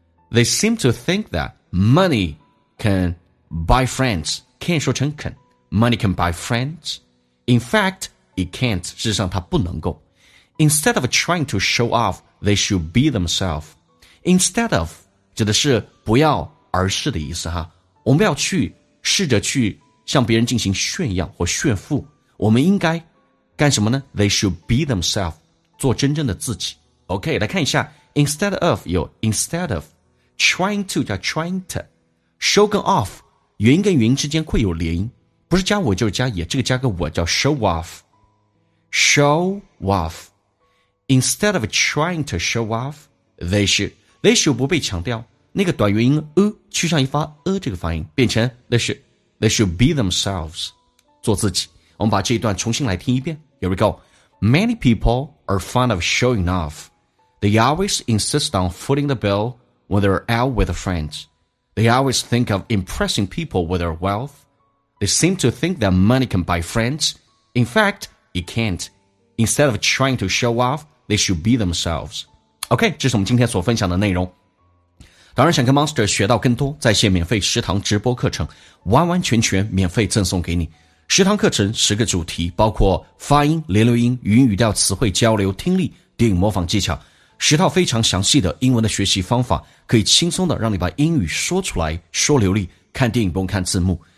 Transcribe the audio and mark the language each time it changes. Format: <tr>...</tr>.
<en>They seem to think that money can buy friends. Can</en> <zh>说成</zh> <en>can. Money can buy friends. In fact, it can't.</en> <zh>事实上它不能够。</zh> <en>Instead of trying to show off, they should be themselves.</en> <zh>Instead of 指的是不要而是的意思哈。我们要去试着去向别人进行炫耀或炫富，我们应该干什么呢？</zh> <en>They should be themselves,</en> <zh>做真正的自己。OK, 来看一下 instead of 有 instead of, trying to 叫 trying to, show 跟 off 元音跟元音之间会有连音，不不是加我就是加也，这个加个我叫 show off。Show off.</zh> <en>Instead of trying to show off, they should</en> <zh>不被强调，那个短元音去上一发这个发音，变成</zh> <en>they should be themselves,</en> <zh>做自己。我们把这一段重新来听一遍。</zh> <en>Here we go. Many people are fond of showing off. They always insist on footing the bill when they're out with friends. They always think of impressing people with their wealth. They seem to think that money can buy friends. In fact,You can't. Instead of trying to show off, they should be themselves.</en> <zh>OK, 这是我们今天所分享的内容。当然想跟 Monster 学到更多，在线免费十堂直播课程完完全全免费赠送给你。十堂课程十个主题，包括发音、连留音、语音语调、词汇交流、听力、电影模仿技巧。十套非常详细的英文的学习方法，可以轻松的让你把英语说出来，说流利，看电影不用看字幕。</zh>